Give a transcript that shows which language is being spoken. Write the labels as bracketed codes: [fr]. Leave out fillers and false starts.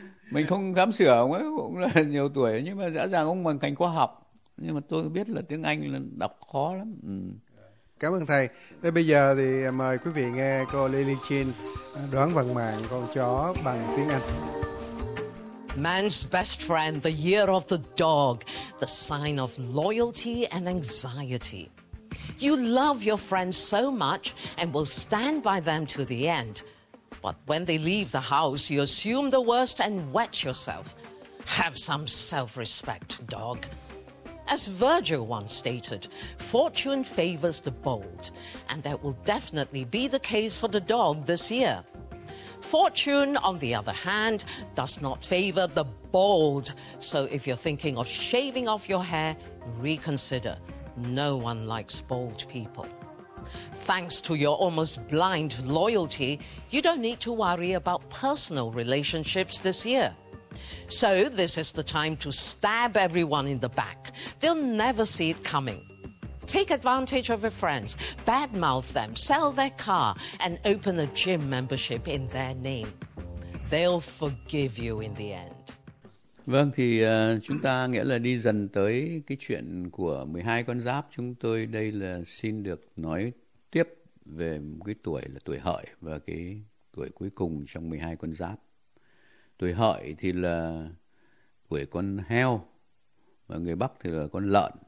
[vi] Mình không dám sửa ông ấy, cũng là nhiều tuổi, nhưng mà rõ ràng ông bằng ngành khoa học. Nhưng mà tôi biết là tiếng Anh là đọc khó lắm. Ừ. Cảm ơn thầy. Thế bây giờ thì mời quý vị nghe cô Lily Chin đoán vận mạng con chó bằng tiếng Anh. [en] Man's best friend, the year of the dog, the sign of loyalty and anxiety. You love your friends so much and will stand by them to the end. But when they leave the house, you assume the worst and wet yourself. Have some self-respect, dog. As Virgil once stated, fortune favors the bold, and that will definitely be the case for the dog this year. Fortune, on the other hand, does not favor the bold. So if you're thinking of shaving off your hair, reconsider. No one likes bold people. Thanks to your almost blind loyalty, you don't need to worry about personal relationships this year. So this is the time to stab everyone in the back. They'll never see it coming. Take advantage of your friends, badmouth them, sell their car, and open a gym membership in their name. They'll forgive you in the end. [vi] Vâng, thì chúng ta nghĩa là đi dần tới cái chuyện của 12 con giáp. Chúng tôi đây là xin được nói tiếp về cái tuổi là tuổi Hợi và cái tuổi cuối cùng trong 12 con giáp. Tuổi Hợi thì là tuổi con heo, và người Bắc thì là con lợn.